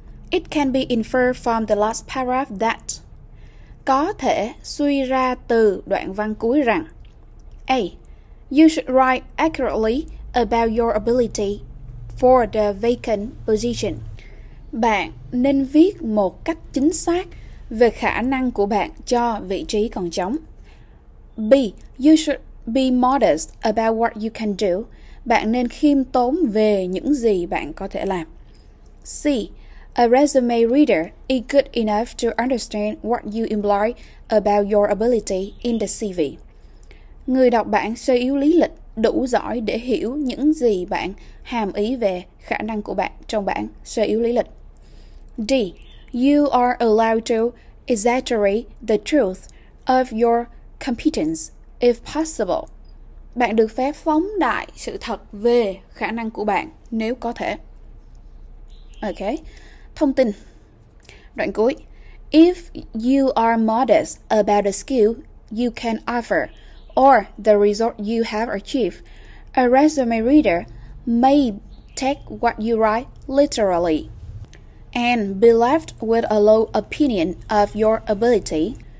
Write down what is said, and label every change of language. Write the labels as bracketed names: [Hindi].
[English] It can be inferred from the last paragraph that. [Vietnamese] Có thể suy ra từ đoạn văn cuối rằng A. [English] You should write accurately about your ability for the vacant position. [Vietnamese] Bạn nên viết một cách chính xác về khả năng của bạn cho vị trí còn trống. [English] B. You should be modest about what you can do. [Vietnamese] Bạn nên khiêm tốn về những gì bạn có thể làm. [English] C. A resume reader is good enough to understand what you imply about your ability in the CV. [Vietnamese] Người đọc bản sơ yếu lý lịch đủ giỏi để hiểu những gì bạn hàm ý về khả năng của bạn trong bản sơ yếu lý lịch. [English] D. You are allowed to exaggerate the truth of your competence if possible. [Vietnamese] Bạn được phép phóng đại sự thật về khả năng của bạn nếu có thể. Ok, thông tin đoạn cuối. [English] If you are modest about the skill you can offer or the result you have achieved, a resume reader may take what you write literally and be left with a low opinion of your ability.